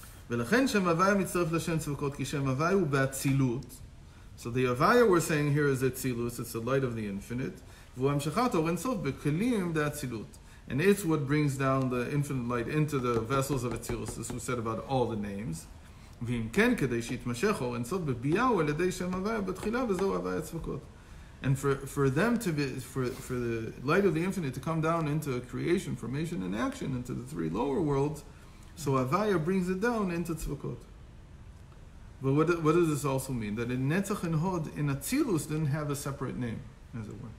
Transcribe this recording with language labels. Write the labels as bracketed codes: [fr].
[he] ולכן שם הוויה מצטרף לשם צבקות, כי שם הוויה הוא באצילות. [en] So the הוויה we're saying here is אצילות. It's the light of the infinite. [he] והוא המשכת אור אינסוף בכלים באצילות. [en] And it's what brings down the infinite light into the vessels of אצילות. This was said about all the names. [he] ואם כן, כדי שיתמשך אור אינסוף בביאו על ידי שם הוויה בתחילה, וזהו הוויה צבקות. [en] And for them to be, for the light of the infinite to come down into creation, formation and action, into the three lower worlds, so הוויה brings it down into צבקות. But what does this also mean? That in Netzach and Hod, in Atzilus, didn't have a separate name, as it were.